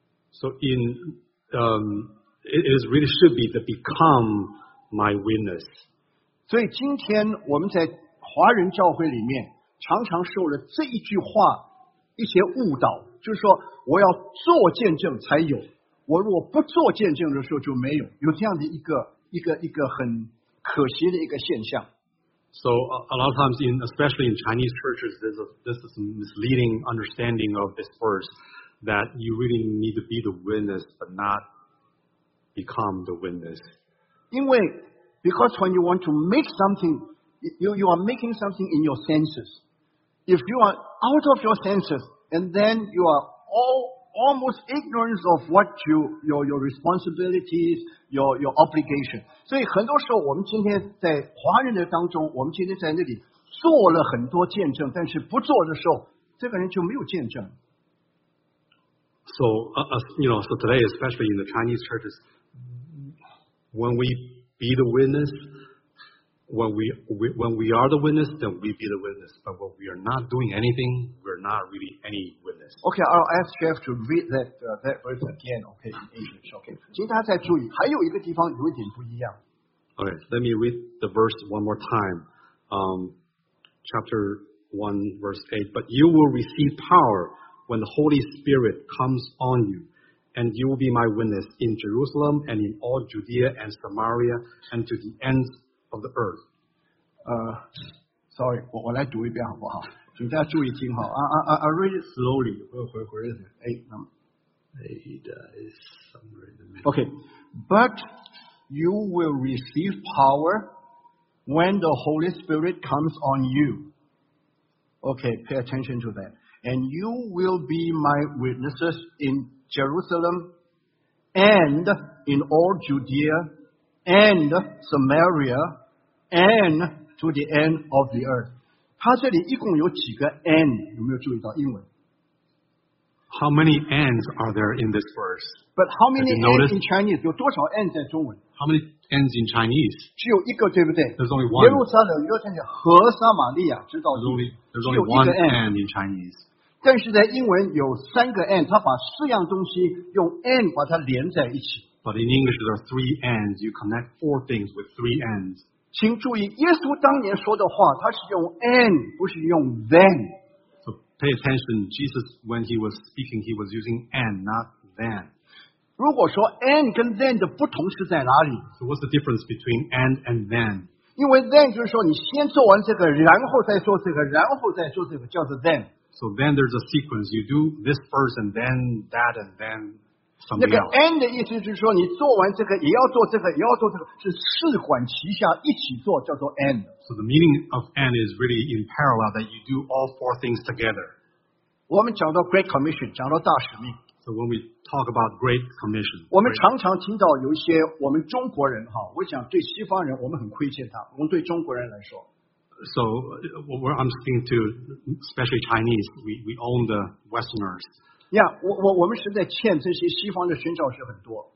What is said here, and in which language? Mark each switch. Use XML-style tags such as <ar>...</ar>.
<en>So in, it is really should be the become my witness.</en> <zh>所以今天我们在华人教会里面常常受了这一句话一些误导，就是说我要做见证才有，我如果不做见证的时候就没有，有这样的一个很可惜的一个现象。</zh> <en>So a lot of times, in, especially in Chinese churches, this is a misleading understanding of this verse that you really need to be the witness, but not become the witness. Because when you want to make something, you are making something in your senses. If you are out of your senses, and then you are almost ignorance of what your responsibilities, your obligation.</en> <zh>所以很多时候我们今天在华人的当中，我们今天在那里做了很多见证，但是不做的时候，这个人就没有见证。</zh> <en>So, so today, especially in the Chinese churches, when we be the witness, when we are the witness, then we be the witness. But when we are not doing anything, we're not really any witness. Okay, I'll ask Jeff to read that verse again, okay, in English.</en> <zh>Okay, 请大家再注意，还有一个地方有一点不一样。</zh> <en>Okay, let me read the verse one more time. Chapter 1, verse 8. But you will receive power when the Holy Spirit comes on you, and you will be my witness in Jerusalem and in all Judea and Samaria and to the ends of the earth.</en> <zh>Sorry, 我来读一遍好不好？请大家注意听哈。</zh> <en>I read it slowly. Where is it? Okay. But you will receive power when the Holy Spirit comes on you. Okay, pay attention to that. And you will be my witnesses in Jerusalem and in all Judea and Samaria and to the end of the earth.</en> <zh>它这里一共有几个 and, 有没有注意到英文？</zh> <en>How many ands are there in this verse? But how many ands in Chinese?</en> <zh>有多少 ands 在中文？</zh> <en>How many ands in Chinese?</en> <zh>只有一个，对不对？</zh> <en>There's only one.</en> <zh>耶路撒冷、犹太人和撒玛利亚知道英文。</zh> <en>There's only one and in Chinese.</en> <zh>但是在英文有三个 and, 它把四样东西用 and 把它连在一起。</zh> <en>But in English, there are three ands. You connect four things with three ands.</en> <zh>请注意，耶稣当年说的话，他是用 and, 不是用 then.</zh> <en>So pay attention. Jesus, when he was speaking, he was using and, not then.</en> <zh>如果说 and 跟 then 的不同是在哪里？</zh> <en>So what's the difference between and then?</en> <zh>因为 then 就是说你先做完这个，然后再做这个，然后再做这个，叫做 then.</zh> <en>So then there's a sequence. You do this first, and then that, and then.</en> <zh>那个 and 的意思就是说，你做完这个也要做这个，也要做这个，是四管齐下一起做，叫做 and。</zh> <en>So the meaning of and is really in parallel that you do all four things together.</en> <zh>我们讲到 Great Commission， 讲到大使命。</zh> <en>So when we talk about Great Commission，</en> <zh>我们常常听到有一些我们中国人哈，我想对西方人我们很亏欠他，我们对中国人来说。</zh> <en>So I'm speaking to especially Chinese. We own the Westerners.</en> <zh>Yeah, 我们实在欠这些西方的宣教士很多。</zh>